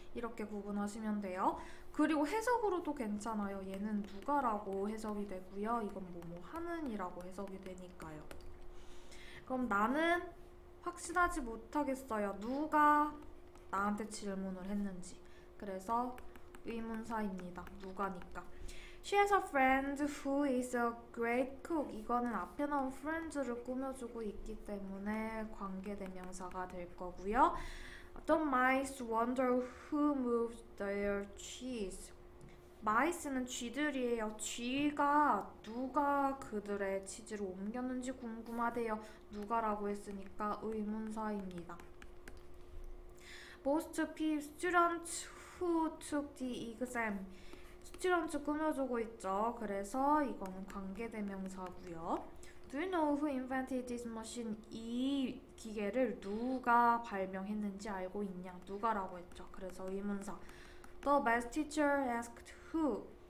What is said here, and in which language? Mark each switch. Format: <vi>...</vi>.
<ko>이렇게 구분하시면 돼요. 그리고 해석으로도 괜찮아요. 얘는 누가라고 해석이 되고요. 이건 뭐뭐 하는이라고 해석이 되니까요. 그럼 나는 확신하지 못하겠어요. 누가 나한테 질문을 했는지. 그래서 의문사입니다. 누가니까.</ko> <en>She has a friend who is a great cook.</en> <ko>이거는 앞에 나온 friends를 꾸며주고 있기 때문에 관계대명사가 될 거고요.</ko> <en>The mice wonder who moved their cheese.</en> <ko>마이스는 쥐들이에요. 쥐가 누가 그들의 치즈를 옮겼는지 궁금하대요. 누가라고 했으니까 의문사입니다.</ko> <en>Most students who took the exam.</en> <ko>스튜던트 꾸며주고 있죠. 그래서 이건 관계대명사고요.</ko> <en>Do you know who invented this machine?</en> <ko>이 기계를 누가 발명했는지 알고 있냐? 누가라고 했죠. 그래서 의문사.</ko> <en>The best teacher asked who?</en>